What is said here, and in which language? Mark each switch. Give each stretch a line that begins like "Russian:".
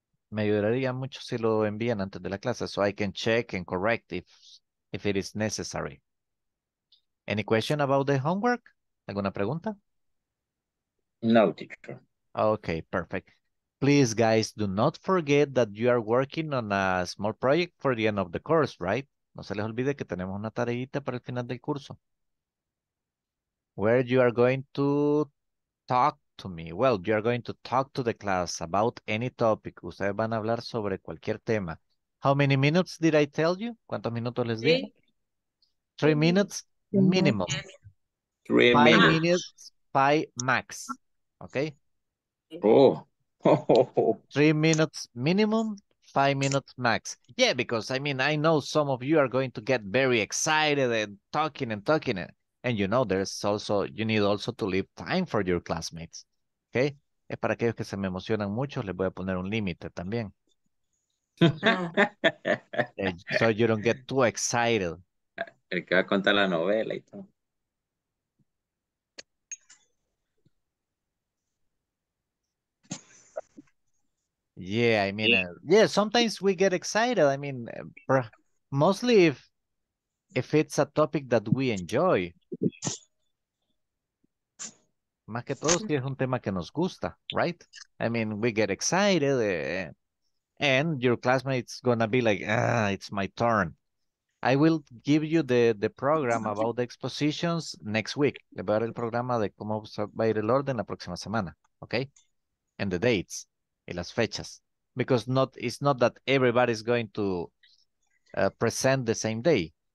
Spanish: Me ayudaría mucho si lo envían antes de la clase,
English: so I can check and correct if it is necessary. Any question about the homework?
Spanish: ¿Alguna pregunta?
English: No, teacher. Okay, perfect. Please, guys, do not forget that you are working on a small project for the end of the course, right?
Spanish: No se les olvide que tenemos una tareita para el final del curso.
English: Where you are going to talk to me. Well, you are going to talk to the class about any topic.
Spanish: Ustedes van a hablar sobre cualquier tema.
English: How many minutes did I tell you?
Spanish: ¿Cuántos minutos les di?
English: 3 minutes minimum. 3 minutes. 5 minutes, 5 max. Okay? Oh. 3 minutes minimum, 5 minutes max. Yeah, because I mean, I know some of you are going to get very excited and talking. And you know, there's also, you need also to leave time for your classmates. Okay?
Spanish: Es para aquellos que se me emocionan mucho, les voy a poner un límite también.
English: So you don't get too excited.
Spanish: El que va a contar la novela y todo.
English: Yeah, I mean, yeah, sometimes we get excited. I mean, mostly if it's a topic that we enjoy.
Spanish: Más que todo si es un tema que nos gusta,
English: right? I mean, we get excited and your classmates gonna be like, ah, it's my turn. I will give you the program about the expositions next week.
Spanish: Le voy a dar el programa de cómo va a ir el orden la próxima semana, okay?
English: And the dates.
Spanish: Y las fechas.
English: Because it's not that everybody's going to present the same day.